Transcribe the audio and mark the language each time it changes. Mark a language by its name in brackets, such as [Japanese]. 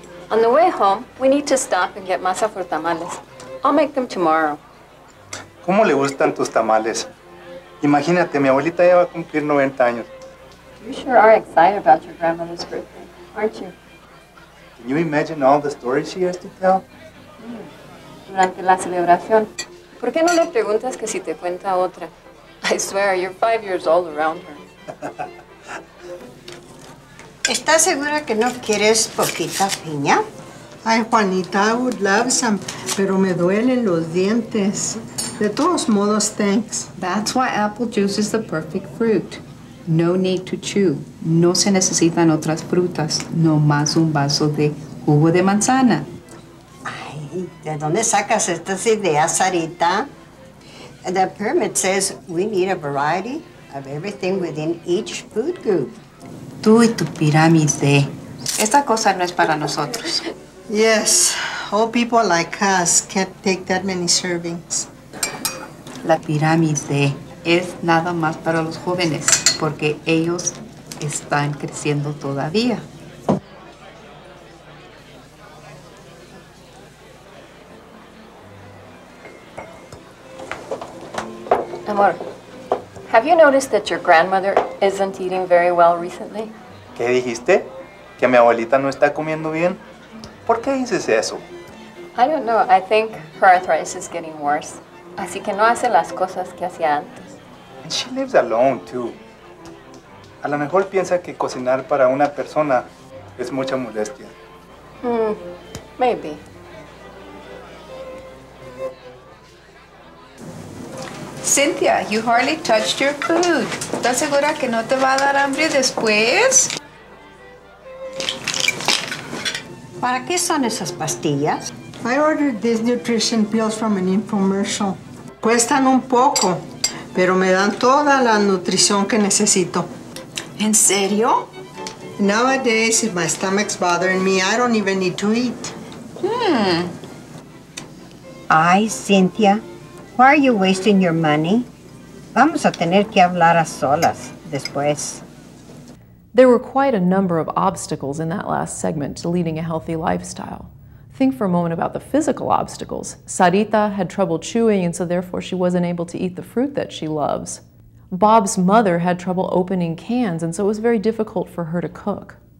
[English] On the way home, we need to stop and get masa for tamales. I'll make them tomorrow. [Spanish] ¿Cómo le gustan tus tamales? Imagínate, mi abuelita ya va a cumplir 90 años. [English] You sure are excited about your grandmother's birthday, aren't you? Can you imagine all the stories she has to tell? [Spanish] Durante la celebración. ¿Por qué no le preguntas que si te cuenta otra? [English] I swear, you're 5 years old around her. [Spanish] ¿Estás segura que no quieres poquita piña? Ay, Juanita, [English] I would love some, [Spanish] pero me duelen los dientes. De todos modos, thanks. [English] That's why apple juice is the perfect fruit. No need to chew. [Spanish] No se necesitan otras frutas. No más un vaso de jugo de manzana. Ay, ¿de dónde sacas estas ideas, Sarita? [English] The permit says we need a variety of everything within each food group. [Spanish] Tú y tu pirámide. Esta cosa no es para nosotros. [English] Yes, all people like us can't take that many servings. [Spanish] La pirámide es nada más para los jóvenes, porque ellos están creciendo todavía. [English] Amor, have you noticed that your grandmother isn't eating very well recently? [Spanish] ¿Qué dijiste? ¿Que mi abuelita no está comiendo bien? ¿Por qué dices eso? [English] I don't know. I think her arthritis is getting worse. [Spanish] Así que no hace las cosas que hacía antes. [English] And she lives alone, too. [Spanish] A lo mejor piensa que cocinar para una persona es mucha molestia. [English] Maybe. Cynthia, you hardly touched your food. [Spanish] ¿Estás segura que no te va a dar hambre después? ¿Para qué son esas pastillas? [English] I ordered these nutrition pills from an infomercial. [Spanish] Cuestan un poco, pero me dan toda la nutrición que necesito. ¿En serio? [English] Nowadays, if my stomach's bothering me, I don't even need to eat. Ay, Cynthia, why are you wasting your money? [Spanish] Vamos a tener que hablar a solas después. [English] There were quite a number of obstacles in that last segment to leading a healthy lifestyle. Think for a moment about the physical obstacles. Sarita had trouble chewing, and so therefore she wasn't able to eat the fruit that she loves. Bob's mother had trouble opening cans, and so it was very difficult for her to cook.